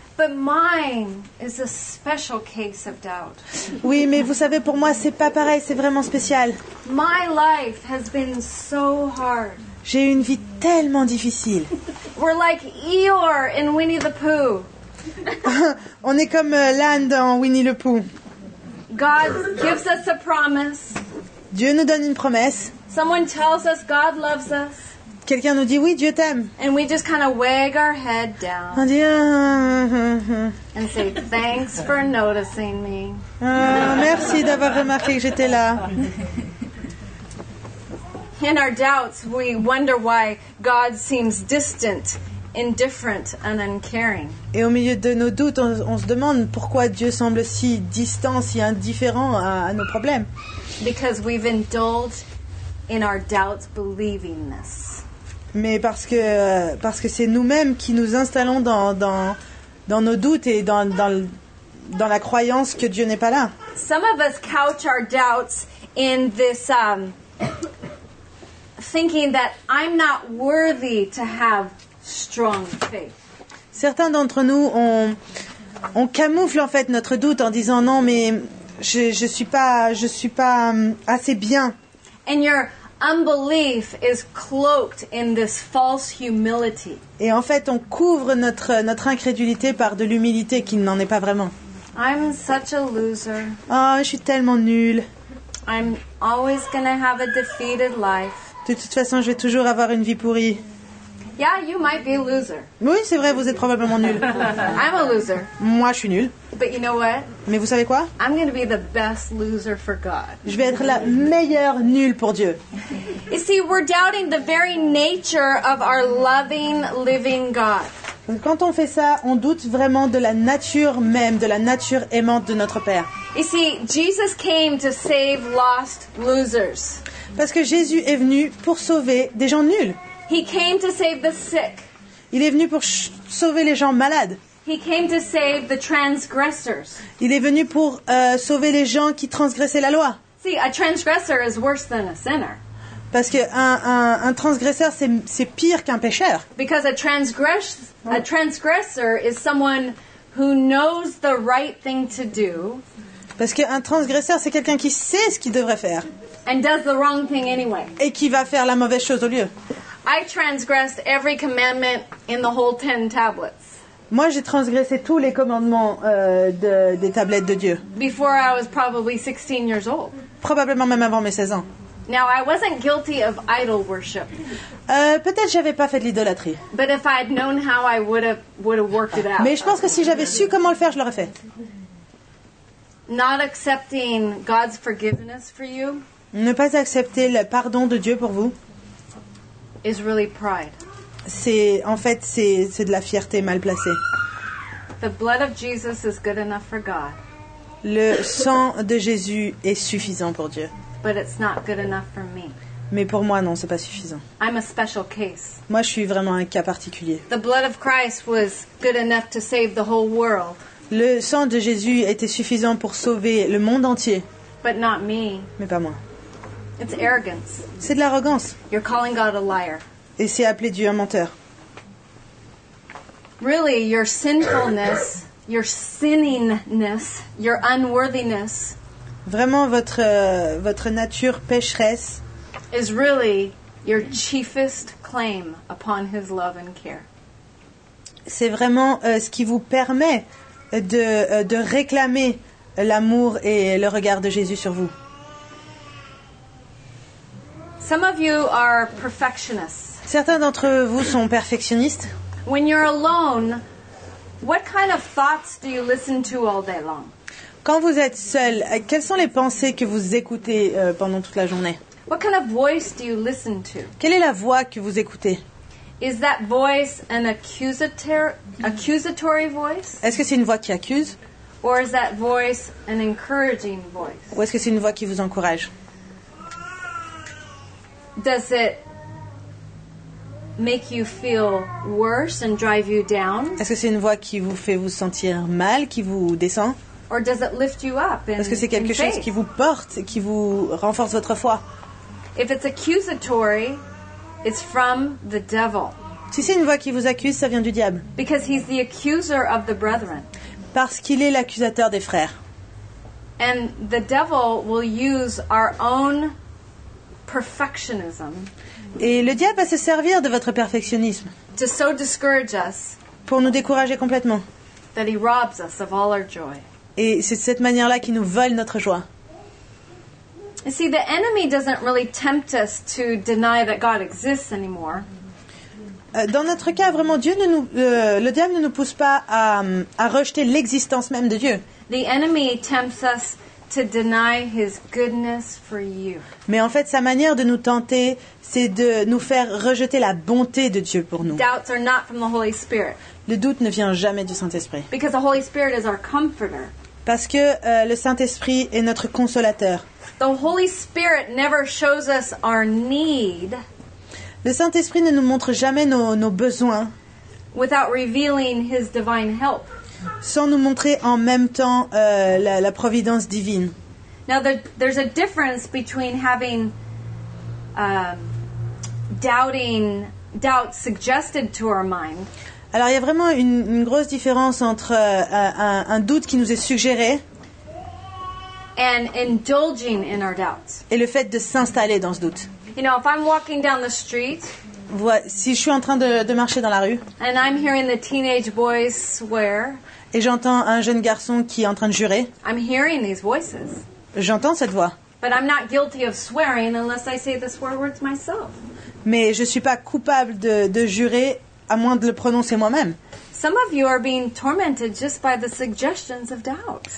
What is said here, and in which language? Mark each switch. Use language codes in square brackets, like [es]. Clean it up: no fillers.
[en] But mine is a special case of doubt. [fr] Oui, mais vous savez, pour moi, c'est pas pareil, c'est vraiment spécial. [en] My life has been so hard. [fr] J'ai une vie tellement difficile. [en] We're like Eeyore in Winnie the Pooh. [fr] On est comme l'âne dans Winnie le Pooh. [en] God gives us a promise. [fr] Dieu nous donne une promesse. [en] Someone tells us God loves us. [fr] Quelqu'un nous dit oui, Dieu t'aime. [en] And we just kind of wag our head down. [fr] On dit [en] and say thanks for noticing me. [fr] Merci d'avoir remarqué que j'étais là. [en] In our doubts, we wonder why God seems distant, indifferent and uncaring. [fr] Et au milieu de nos doutes, on se demande pourquoi Dieu semble si distant, si indifférent à nos problèmes. [en] Because we've indulged in our doubts believing this. [fr] Mais parce que c'est nous-mêmes qui nous installons dans nos doutes et dans la croyance que Dieu n'est pas là. [en] Some of us couch our doubts in this thinking that I'm not worthy to have strong faith. [fr] Certains d'entre nous on camoufle en fait notre doute en disant non mais je suis pas assez bien. [en] And your unbelief is cloaked in this false humility. [fr] Et en fait, on couvre notre incrédulité par de l'humilité qui n'en est pas vraiment. [en] I'm such a loser. [fr] Oh, je suis tellement nulle. [en] I'm always gonna have a defeated life. [fr] De toute façon, je vais toujours avoir une vie pourrie. [en] Yeah, you might be a loser. [fr] Oui, c'est vrai, vous êtes probablement nul. [en] I'm a loser. [fr] Moi, je suis nul. [en] But you know what? [fr] Mais vous savez quoi? [en] I'm gonna be the best loser for God. [fr] Je vais être la meilleure nulle pour Dieu. [en] You see, we're doubting the very nature of our loving, living God. [fr] Quand on fait ça, on doute vraiment de la nature même, de la nature aimante de notre Père. [en] You see, Jesus came to save lost losers. [fr] Parce que Jésus est venu pour sauver des gens nuls. [en] He came to save the sick. [fr] Il est venu pour sauver les gens malades. [en] He came to save the transgressors. [fr] Il est venu pour sauver les gens qui transgressaient la loi. [en] See, a transgressor is worse than a sinner. [fr] Parce que un transgresseur c'est pire qu'un pécheur. [en] Because a transgressor is someone who knows the right thing to do. [fr] Parce que un transgresseur c'est quelqu'un qui sait ce qu'il devrait faire. [en] And does the wrong thing anyway. [fr] Et qui va faire la mauvaise chose au lieu. [en] I transgressed every commandment in the whole 10 tablets. [fr] Moi, j'ai transgressé tous les commandements des tablettes de Dieu. [en] Before I was probably 16 years old. [fr] Probablement même avant mes 16 ans. [en] Now, I wasn't guilty of idol worship. [fr] Peut-être j'avais pas fait de l'idolâtrie. [en] But if I had known how I would have worked it out. [fr] Mais je pense que si j'avais su comment le faire, je l'aurais fait. [en] Not accepting God's forgiveness for you. [fr] Ne pas accepter le pardon de Dieu pour vous. [en] Is really pride. [fr] C'est en fait c'est de la fierté mal placée. [en] The blood of Jesus is good enough for God. [fr] Le sang de Jésus est suffisant pour Dieu. [en] But it's not good enough for me. [fr] Mais pour moi non, c'est pas suffisant. [en] I'm a special case. [fr] Moi je suis vraiment un cas particulier. [en] The blood of Christ was good enough to save the whole world. [fr] Le sang de Jésus était suffisant pour sauver le monde entier. [en] But not me. [fr] Mais pas moi. [en] It's arrogance. [fr] C'est de l'arrogance. [en] You're calling God a liar. [fr] Et c'est appeler Dieu un menteur. [en] Really, your sinfulness, your sinningness, your unworthiness. [fr] Vraiment votre nature pécheresse. [en] Is really your chiefest claim upon His love and care. [fr] C'est vraiment ce qui vous permet de réclamer l'amour et le regard de Jésus sur vous. [en] Some of you are perfectionists. [fr] Certains d'entre vous sont perfectionnistes. [en] When you're alone, what kind of thoughts do you listen to all day long? [fr] Quand vous êtes seul, quelles sont les pensées que vous écoutez pendant toute la journée? [en] What kind of voice do you listen to? [fr] Quelle est la voix que vous écoutez? [en] Is that voice an accusatory voice? [fr] Est-ce que c'est une voix qui accuse? [en] Or is that voice an encouraging voice? [fr] Ou est-ce que c'est une voix qui vous encourage? [en] Does it make you feel worse and drive you down? [fr] Est-ce que c'est une voix qui vous fait vous sentir mal, qui vous descend? [en] Or does it lift you up in faith? [fr] Est-ce que c'est quelque chose qui vous porte, qui vous renforce votre foi? [en] If it's accusatory, it's from the devil. [fr] Si c'est une voix qui vous accuse, ça vient du diable. [en] Because he's the accuser of the brethren. [fr] Parce qu'il est l'accusateur des frères. [en] And the devil will use our own perfectionism. [fr] Et le diable va se servir de votre perfectionnisme. [en] To so discourage us. [fr] Pour nous décourager complètement. [en] That he robs us of all our joy. [fr] Et c'est de cette manière-là qu'il nous vole notre joie. [en] You see, the enemy doesn't really tempt us to deny that God exists anymore. [fr] Dans notre cas, vraiment, Dieu ne nous, le diable ne nous pousse pas à rejeter l'existence même de Dieu. [en] The enemy tempts us to deny his goodness for you. [fr] Mais en fait, sa manière de nous tenter, c'est de nous faire rejeter la bonté de Dieu pour nous. [en] Doubts are not from the Holy Spirit. [fr] Le doute ne vient jamais du Saint-Esprit. [en] Because the Holy Spirit is our comforter. [fr] Parce que le Saint-Esprit est notre consolateur. [en] The Holy Spirit never shows us our need. [fr] Le Saint-Esprit ne nous montre jamais nos besoins. [en] Without revealing his divine help. [fr] Sans nous montrer en même temps la providence divine. [en] Now there's a difference between having doubts suggested to our mind. [fr] Alors, il y a vraiment une grosse différence entre un doute qui nous est suggéré [en] and indulging in our doubts. [fr] Et le fait de s'installer dans ce doute. [en] You know, if I'm walking down the street, [fr] si je suis en train de marcher dans la rue [en] and I'm hearing the teenage boys swear, [fr] et j'entends un jeune garçon qui est en train de jurer, [en] I'm hearing these voices. [fr] J'entends cette voix. [en] But I'm not guilty of swearing unless I say the swear words myself. [fr] Mais je suis pas coupable de jurer à moins de le prononcer moi-même. [en] Some of you are being tormented just by the suggestions of doubt.